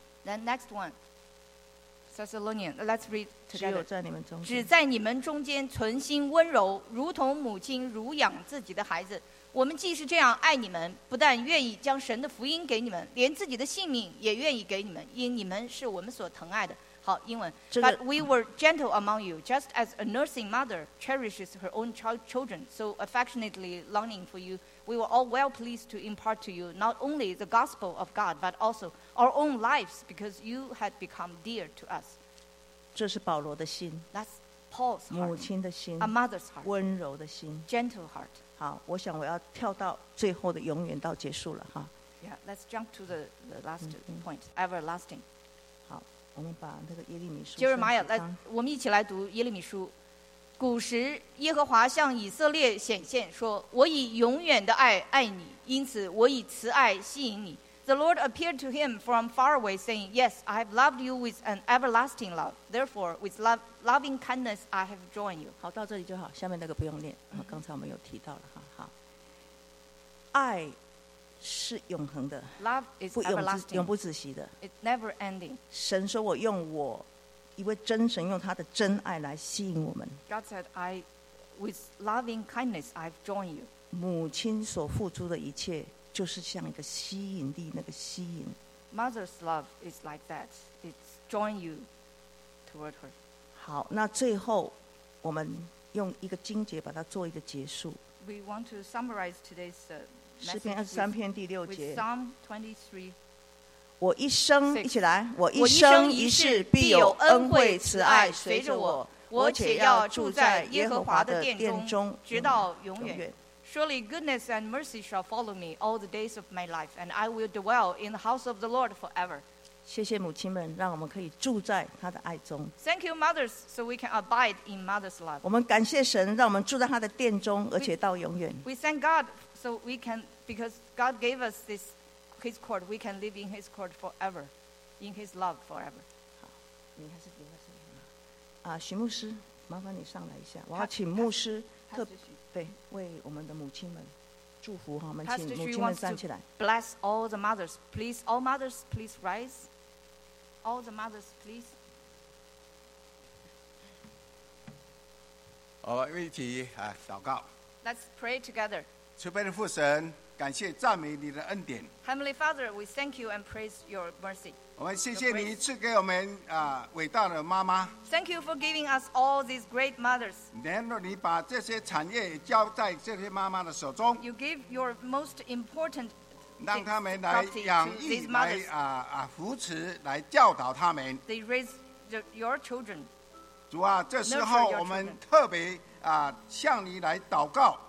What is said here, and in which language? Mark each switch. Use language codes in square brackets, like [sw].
[en] Then next one, Thessalonians, let's read together. [zh] 只有在你们中间，只在你们中间存心温柔，如同母亲乳养自己的孩子。我们既是这样爱你们，不但愿意将神的福音给你们，连自己的性命也愿意给你们，因你们是我们所疼爱的。好，英文。 [en] But we were gentle among you, just as a nursing mother cherishes her own children, so affectionately longing for you. We were all well pleased to impart to you not only the gospel of God, but also our own lives, because you had become dear to us. [zh] 这是保罗的心。 [en] That's Paul's heart. [zh] 母亲的心。 [en] A mother's heart. [zh] 温柔的心。 [en] Gentle heart. [zh] 好，我想我要跳到最后的，永远到结束了哈。 [en] Yeah, let's jump to the last point, everlasting. [zh] 我们把那个耶利米书 Jeremiah 来，我们一起来读耶利米书。古时耶和华向以色列显现说，我以永远的爱爱你，因此我以慈爱吸引你。 [en] The Lord appeared to him from far away saying, Yes, I have loved you with an everlasting love, therefore with loving kindness I have drawn you. [zh] 好，到这里就好，下面那个不用念，刚才我们有提到了哈。好，爱是永恒的， [en] Love is everlasting, [zh] 永不止息的。 [en] It's never ending. [zh] 神说我用我一位真神用他的真爱来吸引我们。 [en] God said, I, with loving kindness, I've drawn you. [zh] 母亲所付出的一切就是像一个吸引力，那个吸引。 [en] Mother's love is like that. It's drawn you toward her. [zh] 好，那最后我们用一个经节把它做一个结束。 [en] We want to summarize today's [zh] 诗篇二十三篇第六节。 [en] 23, [zh] 我一生一起来，我一生一世必有恩惠慈爱随着我，我且要住在耶和华的殿中，直到永远。永远。 [en] Surely goodness and mercy shall follow me all the days of my life, and I will dwell in the house of the Lord forever. [zh] 谢谢母亲们，让我们可以住在他的爱中。 [en] Thank you, mothers, so we can abide in mother's love. [zh] 我们感谢神，让我们住在他的殿中，而且到永远。 [en] We thank God, so we can. Because God gave us this, His court, we can live in His court forever, in His love forever. [zh] 你还是留在这里吗？啊，徐牧师，麻烦你上来一下。我要请牧师对为我们的母亲们祝福哈。我们请母亲们站起来。 [en] Bless all the mothers, please. All mothers, please rise. All the mothers, please. [zh] 我们一起啊祷告。 [en] Let's pray together. [zh] 慈悲的父神。感谢赞美你的恩典。 [en] Heavenly Father, we thank you and praise your mercy. [zh] 我们谢谢你赐给我们啊伟大的妈妈。 [en] Thank you for giving us all these great mothers. [zh] 然后你把这些产业交在这些妈妈的手中。 [en] You give your most important [zh] 让他们来养育、来扶持、来教导他们。 [en] They raise your children. [zh] 主啊，这时候我们特别啊向你来祷告。